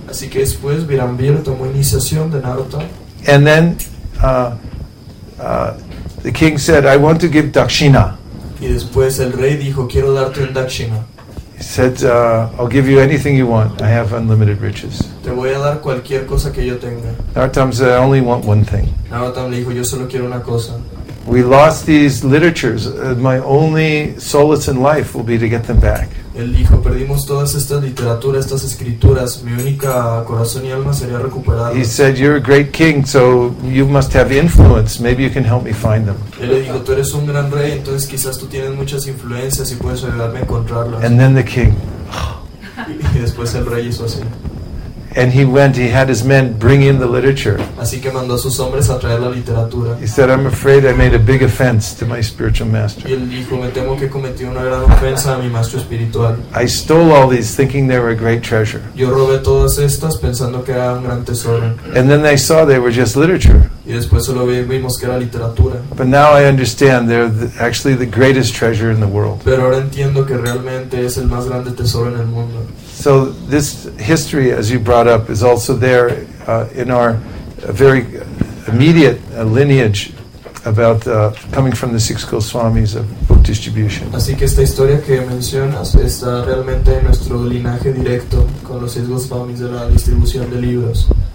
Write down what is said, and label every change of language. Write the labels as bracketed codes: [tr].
[es] Así que después Birambir tomó iniciación de Narottam. [en] And then the king said, I want to give dakshina. [es] Y después el rey dijo, quiero darte un dakshina. [en] He said, I'll give you anything you want. I have unlimited riches. [es] Te voy a dar cualquier cosa que yo tenga. [en] Narottam said, I only want one thing. [es] Narottam le dijo, yo solo quiero una cosa. [en] We lost these literatures. My only solace in life will be to get them back. [es] Él dijo, perdimos todas estas literaturas, estas escrituras. Mi única corazón y alma sería recuperarlas. [en] He said, you're a great king, so you must have influence. Maybe you can help me find them. [es] Él le dijo, tú eres un gran rey, entonces quizás tú tienes muchas influencias y puedes ayudarme a encontrarlas. [en] And then the king. [es] Y después el rey hizo así. [en] And he went, he had his men bring in the literature. [es] Así que mandó a sus hombres a traer la literatura. [en] He said, I'm afraid I made a big offense to my spiritual master. [es] Y él dijo, me temo que cometí una gran ofensa a mi maestro espiritual. [en] I stole all these thinking they were a great treasure. [es] Yo robé todas estas pensando que era un gran tesoro. [en] And then they saw they were just literature. [es] Y después solo vimos que era literatura. [en] But now I understand they're actually the greatest treasure in the world. [es] Pero ahora entiendo que realmente es el más grande tesoro en el mundo. [en] So this history, as you brought up, is also there in our very immediate lineage about coming from the six Goswamis of book distribution. [es] Así que esta historia que mencionas está realmente en nuestro linaje directo con los seis Goswamis de la distribución de libros.